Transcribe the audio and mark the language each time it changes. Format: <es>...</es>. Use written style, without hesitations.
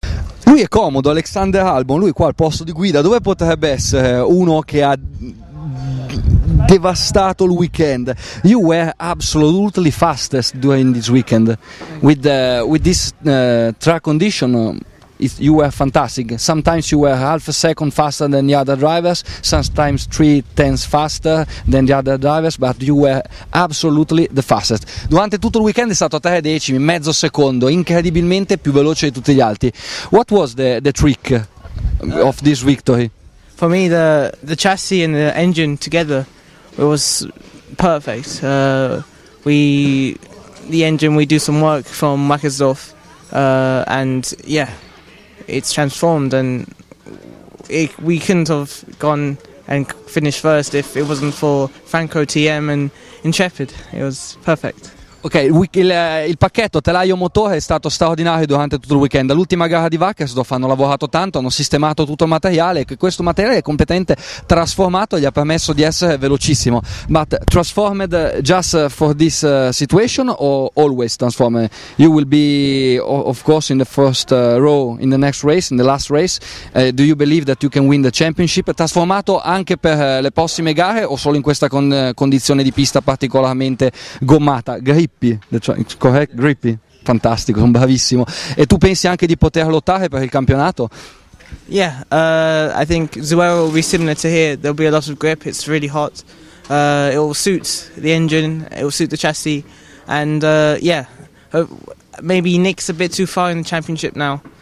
<it>è comodo, Alexander Albon, lui qua al posto di guida, dove potrebbe essere uno che ha devastato il weekend?</it> <en>You were absolutely fastest during this weekend with this track condition. You were fantastic. Sometimes you were half a second faster than the other drivers, sometimes 3/10 faster than the other drivers, but you were absolutely the fastest.</en> <it>Durante tutto il weekend è stato a 3 decimi, mezzo secondo, incredibilmente più veloce di tutti gli altri.</it> <en>What was the trick of this victory? For me, the chassis and the engine together, it was perfect. We do some work from Wackersdorf, and yeah, it's transformed, and we couldn't have gone and finished first if it wasn't for Franco TM and Intrepid. It was perfect.</en> <it>Ok, il pacchetto telaio motore è stato straordinario durante tutto il weekend. L'ultima gara di Wackersdorf hanno lavorato tanto, hanno sistemato tutto il materiale, e questo materiale è completamente trasformato e gli ha permesso di essere velocissimo.</it> <en>But transformed just for this situation or always transformed? You will be of course in the first row in the next race, in the last race. Do you believe that you can win the championship?</en> <it>Trasformato anche per le prossime gare o solo in questa condizione di pista particolarmente gommata? Grippi, correct? Grippi, fantastico, sono bravissimo. E tu pensi anche di poter lottare per il campionato?</it> <en>Yeah, I think Zuero will be similar to here. There'll be a lot of grip. It's really hot. It will suit the engine. It will suit the chassis. And yeah, maybe Nick's a bit too far in the championship now.</en>